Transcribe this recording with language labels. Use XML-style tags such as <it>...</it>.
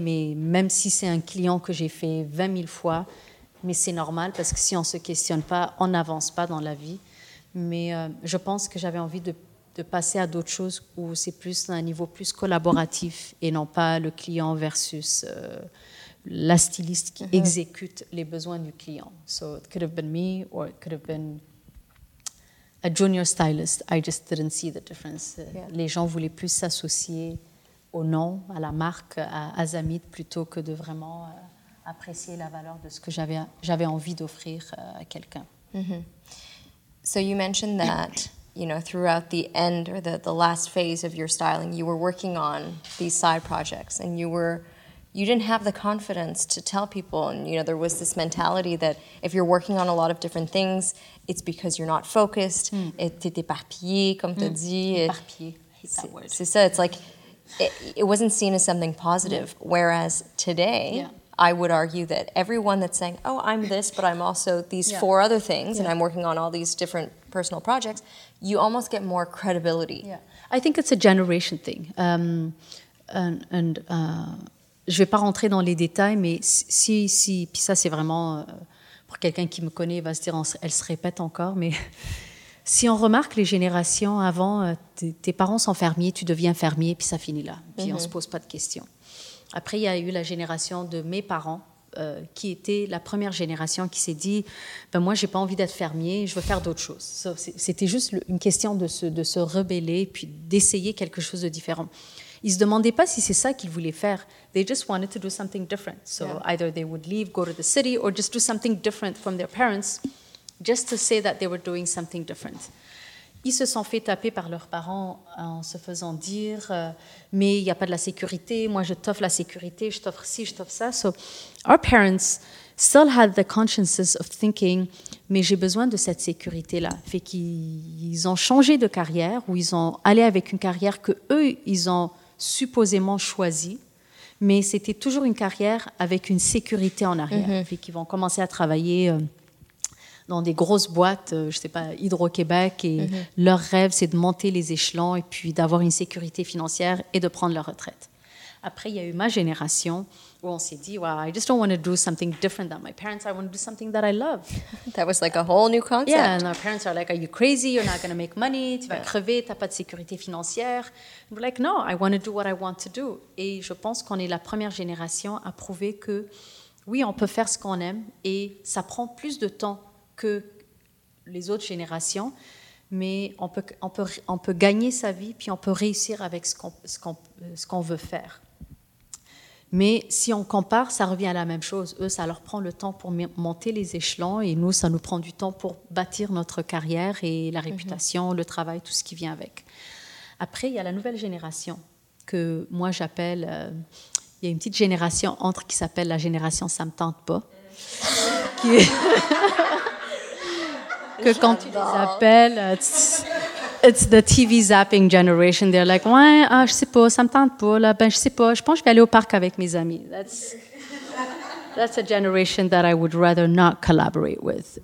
<fr>Mais même si c'est un client que j'ai fait 20 000 fois, mais c'est normal parce que si on ne se questionne pas, on n'avance pas dans la vie. Mais je pense que j'avais envie de passer à d'autres choses où c'est plus à un niveau plus collaboratif et non pas le client versus la styliste qui mm-hmm. exécute les besoins du client.</fr> <en>So it could have been me or it could have been a junior stylist. I just didn't see the difference. Yeah.</en> <fr>Les gens voulaient plus s'associer au nom, à la marque, à Azamit, plutôt que de vraiment apprécier la valeur de ce que j'avais envie d'offrir à quelqu'un. Mm-hmm.</fr> <en>So you mentioned that, you know, throughout the end or the last phase of your styling, you were working on these side projects and you didn't have the confidence to tell people. And, you know, there was this mentality that if you're working on a lot of different things, it's because you're not focused.</en> <fr>Mm. Et t'es éparpillé, comme t'as dit.</fr> <en>Éparpillé. I hate that word.</en> <fr>C'est ça.</fr> <en>It's like it wasn't seen as something positive. Mm. Whereas today, yeah. I would argue that everyone that's saying, oh, I'm this, but I'm also these yeah. four other things, yeah. and I'm working on all these different personal projects, you almost get more credibility. Yeah. I think it's a generation thing.</en> <fr>Je ne vais pas rentrer dans les détails, mais si puis ça c'est vraiment, pour quelqu'un qui me connaît, il va se dire, elle se répète encore, mais si on remarque les générations avant, tes parents sont fermiers, tu deviens fermier, puis ça finit là, puis mm-hmm. on ne se pose pas de questions. Après, il y a eu la génération de mes parents, qui était la première génération qui s'est dit, ben moi, je n'ai pas envie d'être fermier, je veux faire d'autres choses. So, c'était juste une question de se rebeller, puis d'essayer quelque chose de différent. Ils ne se demandaient pas si c'est ça qu'ils voulaient faire.</fr> <en>They just wanted to do something different. So yeah. either they would leave, go to the city, or just do something different from their parents, just to say that they were doing something different.</en> <fr>Ils se sont fait taper par leurs parents en se faisant dire, mais il n'y a pas de la sécurité, moi je t'offre la sécurité, je t'offre ci, je t'offre ça.</fr> <en>So our parents still had the consciences of thinking,</en> <fr>mais j'ai besoin de cette sécurité-là. Fait qu'ils ont changé de carrière ou ils ont allé avec une carrière qu'eux, ils ont supposément choisie, mais c'était toujours une carrière avec une sécurité en arrière. Mm-hmm. Fait qu'ils vont commencer à travailler dans des grosses boîtes, je ne sais pas, Hydro-Québec, et mm-hmm. leur rêve, c'est de monter les échelons et puis d'avoir une sécurité financière et de prendre leur retraite. Après, il y a eu ma génération où on s'est dit, wow,</fr> <en>I just don't want to do something different than my parents. I want to do something that I love. That was like a whole new concept. Yeah, and our parents are like, are you crazy? You're not going to make money.</en> <fr>Tu vas crever. Tu n'as pas de sécurité financière.</fr> <en>And we're like, no, I want to do what I want to do.</en> <fr>Et je pense qu'on est la première génération à prouver que, oui, on peut faire ce qu'on aime et ça prend plus de temps que les autres générations, mais on peut gagner sa vie puis on peut réussir avec ce qu'on veut faire. Mais si on compare, ça revient à la même chose. Eux, ça leur prend le temps pour monter les échelons et nous, ça nous prend du temps pour bâtir notre carrière et la réputation, mm-hmm. le travail, tout ce qui vient avec. Après, il y a la nouvelle génération que moi, j'appelle... il y a une petite génération entre qui s'appelle la génération « ça me tente pas », qui est... que quand tu les appelles...</fr> <en>It's the TV zapping generation. They're like,</en> <fr>ouais, je sais pas, ça me tente pas. Là, ben, je sais pas. Je pense que je vais aller au parc avec mes amis.</fr> <en>That's a generation that I would rather not collaborate with.</en>